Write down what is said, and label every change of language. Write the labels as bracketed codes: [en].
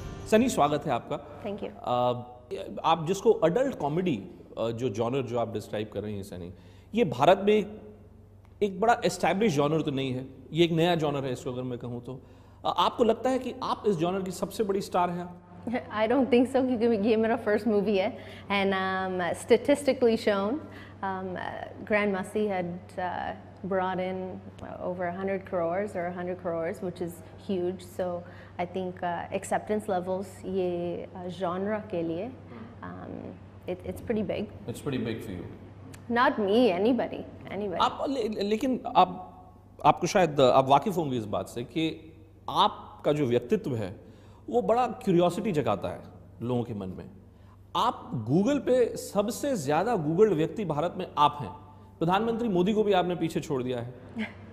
[hi] सनी, स्वागत है आपका। Thank you. आप जिसको अडल्ट कॉमेडी जो जॉनर जो आप डिस्क्राइब कर रही हैं सनी, ये भारत में एक बड़ा एस्टैब्लिश जॉनर तो नहीं है, ये एक नया जॉनर है इसको अगर मैं कहूँ तो। आपको लगता है कि आप इस जॉनर की सबसे बड़ी स्टार हैं? [en] I don't think so, [hi] क्योंकि ये मेरा फर्स्ट मूवी है and [en] statistically shown, Grandmasi had brought in over 100 crores or 100 crores, which is huge. So I think acceptance levels [hi] ye genre ke liye, [en] it's pretty big. It's pretty big for you. Not me, anybody. [hi] आप लेकिन आप आपको शायद आप वाकिफ होंगे इस बात से कि आपका जो व्यक्तित्व है वो बड़ा क्यूरियोसिटी जगाता है लोगों के मन में। आप गूगल पे सबसे ज्यादा गूगल्ड व्यक्ति भारत में आप हैं, प्रधानमंत्री मोदी को भी आपने पीछे छोड़ दिया है।